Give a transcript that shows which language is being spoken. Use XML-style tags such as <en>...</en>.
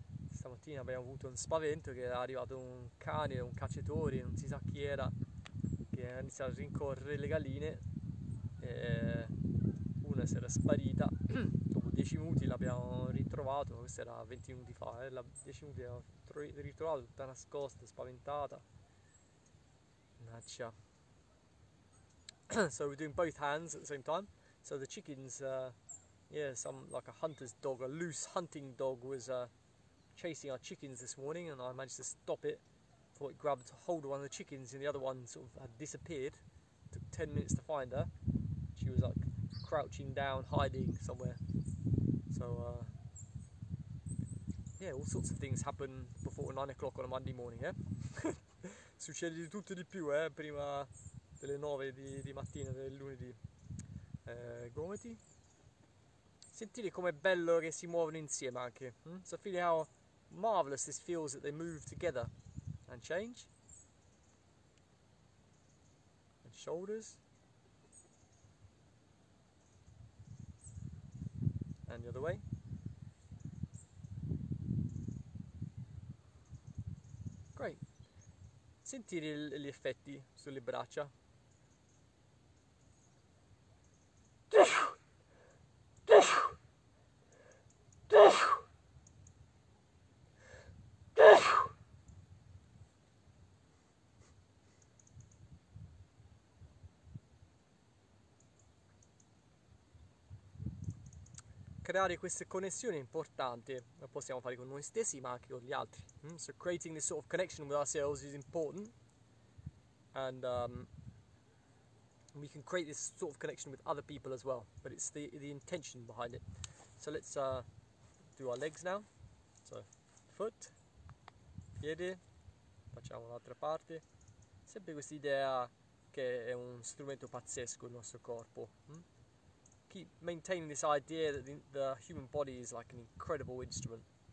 <it>Stamattina abbiamo avuto un spavento che è arrivato un cane, un cacciatore, non si sa chi era, che ha iniziato a rincorrere le galline. E una si era sparita. Dopo 10 minuti l'abbiamo ritrovato, questa era 20 minuti fa, la 10 minuti l'abbiamo ritrovato tutta nascosta, spaventata. Mannaggia.</it> <en>So we're doing both hands at the same time. So the chickens, some like a hunter's dog, a loose hunting dog was chasing our chickens this morning, and I managed to stop it before it grabbed hold of one of the chickens, and the other one sort of had disappeared. It took 10 minutes to find her. She was like crouching down, hiding somewhere. So all sorts of things happen before 9 o'clock on a Monday morning, eh?</en> <it>Succede di tutto di più, prima delle 9 di mattina del lunedì. Gomiti. Sentire com'è bello che si muovono insieme anche.</it> <en>So feel how marvelous this feels that they move together. And change. And shoulders. And the other way.</en> <it>Great. Sentire gli effetti sulle braccia. Creare queste connessioni è importante, lo possiamo fare con noi stessi ma anche con gli altri.</it> <en>So creating this sort of connection with ourselves is important, and we can create this sort of connection with other people as well, but it's the intention behind it. So let's do our legs now. So foot,</en> <it>piede, facciamo l'altra parte. Sempre questa idea che è un strumento pazzesco il nostro corpo.</it> <en>Keep maintaining this idea that the human body is like an incredible instrument.</en>